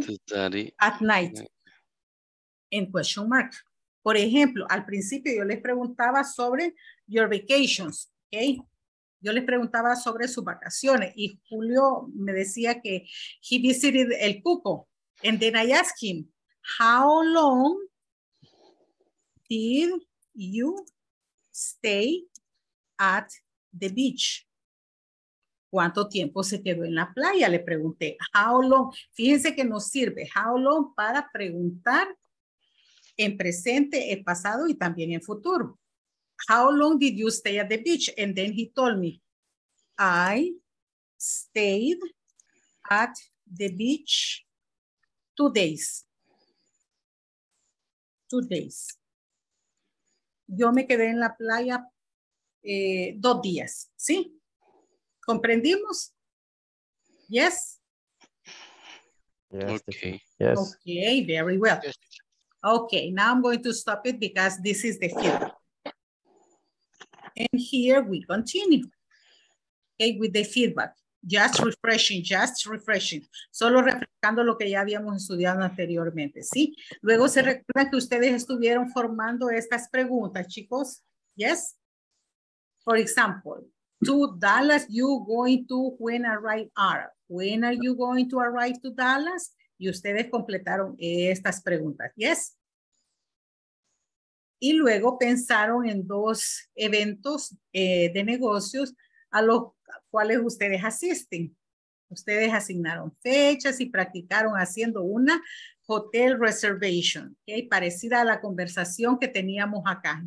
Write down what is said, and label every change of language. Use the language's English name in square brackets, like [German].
[English] To study. At night. [Spanish] en [English] question mark. [Spanish] Por ejemplo, al principio yo les preguntaba sobre [English] your vacations, [Spanish] ¿ok? Yo les preguntaba sobre sus vacaciones y Julio me decía que [English] he visited [Spanish] el Cuco. [English] And then I asked him, how long did you stay at the beach? [Spanish] ¿Cuánto tiempo se quedó en la playa? Le pregunté, [English] how long? [Spanish] Fíjense que nos sirve [English] how long [Spanish] para preguntar en presente, en pasado y también en futuro. [English] How long did you stay at the beach? And then he told me, I stayed at the beach 2 days. 2 days. [Spanish] Yo me quedé en la playa 2 días, ¿sí? ¿Comprendimos? Yes? [English] Yes. Okay. Yes. Okay, very well. Okay, now I'm going to stop it because this is the field. And here we continue. Okay, with the feedback. Just refreshing. [Spanish] Solo refrescando lo que ya habíamos estudiado anteriormente, ¿sí? Luego se recuerda que ustedes estuvieron formando estas preguntas, chicos. [English] Yes? For example, to Dallas, you going to when arrive are. When are you going to arrive to Dallas? [Spanish] Y ustedes completaron estas preguntas. Yes? Y luego pensaron en dos eventos de negocios a los cuales ustedes asisten. Ustedes asignaron fechas y practicaron haciendo una [English] hotel reservation, [Spanish] okay, parecida a la conversación que teníamos acá.